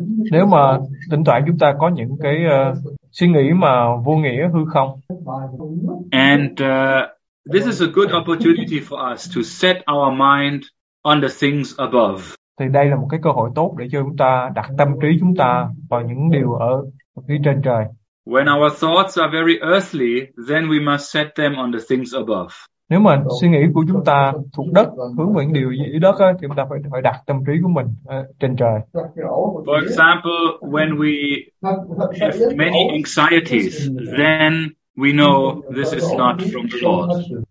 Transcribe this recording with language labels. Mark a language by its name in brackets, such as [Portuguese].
[Vietnamese] Nếu mà tỉnh thoảng chúng ta có những cái suy nghĩ mà vô nghĩa, hư không. [English] And this is a good opportunity for us to set our mind on the things above. [Vietnamese] Thì đây là một cái cơ hội tốt để cho chúng ta đặt tâm trí chúng ta vào những điều ở phía trên trời. [English] When our thoughts are very earthly, then we must set them on the things above. [Vietnamese] Nếu mà suy nghĩ của chúng ta thuộc đất, hướng về những điều dưới đất, thì chúng ta phải đặt tâm trí của mình trên trời. [English] For example, when we have many anxieties, then we know this is not from the Lord.